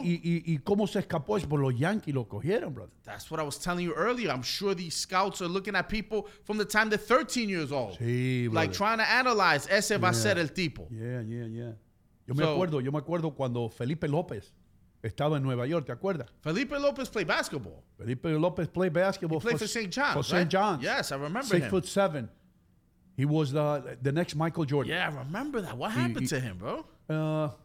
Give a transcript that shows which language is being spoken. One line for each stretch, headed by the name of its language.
Spanish: Y cómo se escapó es por los Yankees lo cogieron, brother.
English: That's what I was telling you earlier. I'm sure these scouts are looking at people from the time they're 13 years old.
Spanish: Sí, brother.
English: Like trying to analyze,
Spanish: ese va a ser el tipo. Yeah. Yo me acuerdo cuando Felipe López estaba en Nueva York, ¿te acuerdas?
English: Felipe López played basketball. Felipe López played basketball. He played for St. John's, for right? St. John's. Yes, I remember him. 6'7". He was the next Michael Jordan. Yeah, I remember that. What happened to him, bro?